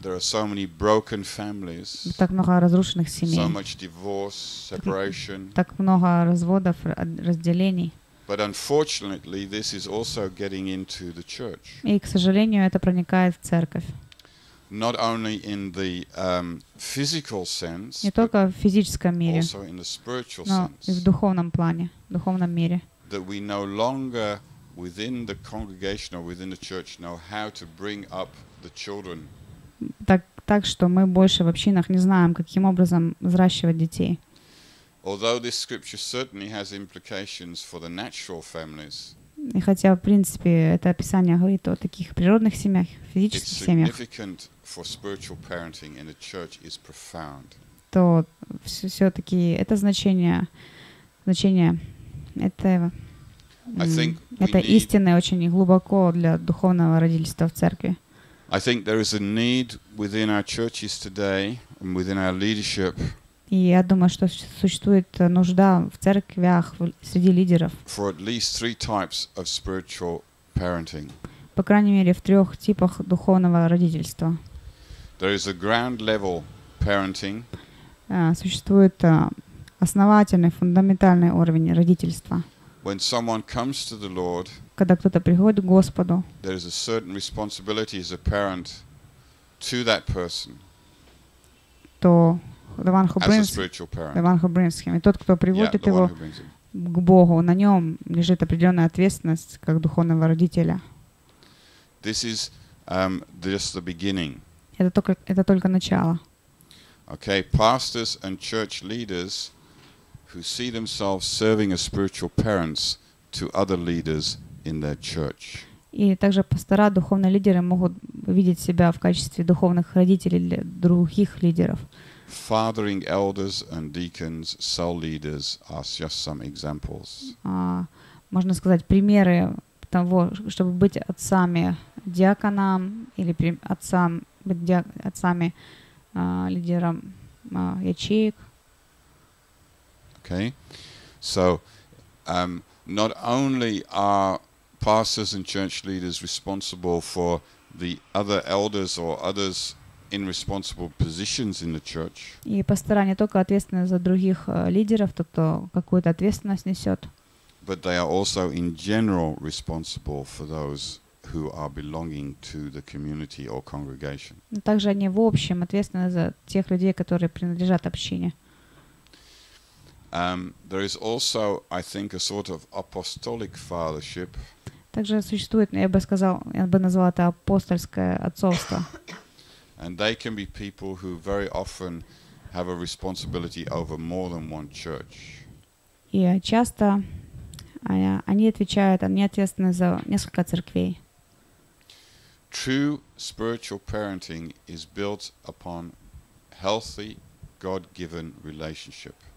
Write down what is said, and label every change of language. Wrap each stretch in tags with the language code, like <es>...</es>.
<en>There are so many broken families.</en> <ru>Так много разрушенных семей.</ru> <en>So much divorce, separation.</en> <ru>Так много разводов, разделений.</ru> <en>But unfortunately, this is also getting into the church.</en> <ru>И, к сожалению, это проникает в церковь.</ru> <en>Not only in the physical sense.</en> <ru>Не только в физическом мире.</ru> <en>Also in the spiritual sense.</en> <ru>И в духовном плане, в духовном мире.</ru> <en>That we no longer within the congregation or within the church know how to bring up the children.</en> <ru>Так что мы больше в общинах не знаем, каким образом взращивать детей.</ru> <en>Although this scripture certainly has implications for the natural families.</en> <ru>И хотя, в принципе, это описание говорит о таких природных семьях, физических</ru> <en>it's</en> <ru>семьях.</ru> <en>Significant for spiritual parenting in a church is profound.</en> <ru>То всё-таки это значение этого. Это истинное очень глубоко для духовного родительства в церкви.</ru> <en>I think there is a need within our churches today and within our leadership.</en> <ru>И я думаю, что существует нужда в церквях, среди лидеров.</ru> <en>For at least three types of spiritual parenting.</en> <ru>По крайней мере, в трех типах духовного родительства.</ru> <en>There is a ground level parenting.</en> <ru>Существует основательный, фундаментальный уровень родительства.</ru> <en>When someone comes to the Lord,</en> <ru>когда кто-то приходит к Господу,</ru> <en>there is a certain responsibility as a parent to that person.</en> <ru>То</ru> <en>The one who brings him.</en> <ru>И тот, кто приводит его к Богу, на нем лежит определенная ответственность как духовного родителя.</ru> <en>This is just the beginning.</en> <ru>Это только начало.</ru> <en>Okay, pastors and church leaders who see themselves serving as spiritual parents to other leaders in their church.</en> <ru>И также пастора, духовные лидеры могут видеть себя в качестве духовных родителей для других лидеров.</ru> <en>Fathering elders and deacons, cell leaders are just some examples.</en> <ru>Можно сказать, примеры того, чтобы быть отцами диаконам или отцами лидерам ячеек.</ru> <en>Okay. So, not only are pastors and church leaders responsible for the other elders or others in responsible positions in the church.</en> <ru>И пастора не только ответственны за других лидеров, тот, кто какую-то ответственность несет.</ru> <en>But they are also in general responsible for those who are belonging to the community or congregation.</en> <ru>Также они в общем ответственны за тех людей, которые принадлежат общине.</ru> <en>There is also, I think, a sort of apostolic fathership.</en> <ru>Также существует, я бы назвал это апостольское отцовство.</ru> <en>And they can be people who very often have a responsibility over more than one church.</en> <ru>И часто они отвечают, они ответственны за несколько церквей.</ru> <en>True spiritual parenting is built upon healthy, God-given relationship.</en>